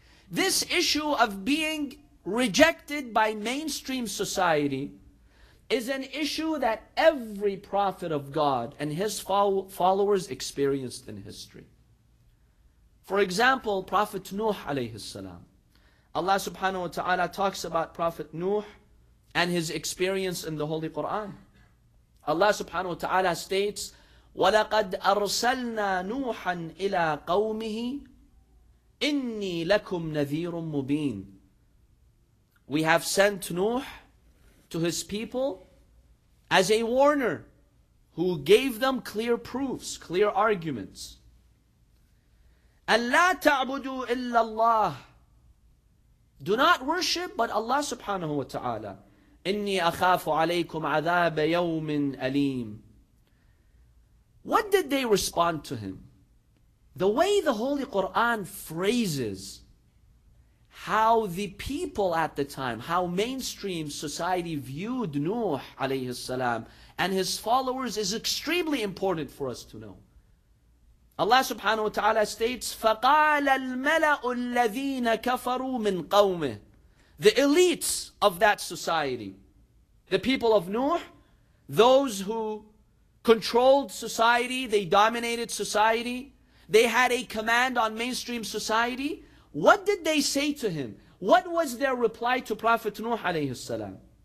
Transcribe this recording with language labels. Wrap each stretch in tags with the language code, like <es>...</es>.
<en>This issue of being rejected by mainstream society is an issue that every prophet of God and his followers experienced in history. For example, Prophet Nuh alayhi salam. Allah subhanahu wa ta'ala talks about Prophet Nuh and his experience in the Holy Quran. Allah subhanahu wa ta'ala states,</en> <ar>وَلَقَدْ أَرْسَلْنَا نُوحًا إِلَىٰ قَوْمِهِ إِنِّي لَكُمْ نَذِيرٌ مُبِينٌ.</ar> <en>We have sent Nuh to his people as a warner who gave them clear proofs, clear arguments.</en> <ar>أَلَّا تَعْبُدُوا إِلَّا اللَّهِ.</ar> <en>Do not worship but Allah subhanahu wa ta'ala.</en> <ar>Inni akhafu alaykum adhab yawmin aleem.</ar> <en>What did they respond to him? The way the Holy Quran phrases how the people at the time, how mainstream society viewed Nuh alayhi salam and his followers is extremely important for us to know. Allah subhanahu wa ta'ala states,</en> <ar>فَقَالَ الْمَلَأُ الَّذِينَ كَفَرُوا مِنْ قَوْمِهِ.</ar> <en>The elites of that society, the people of Nuh, those who controlled society, they dominated society, they had a command on mainstream society. What did they say to him? What was their reply to Prophet Nuh alayhi salam?</en>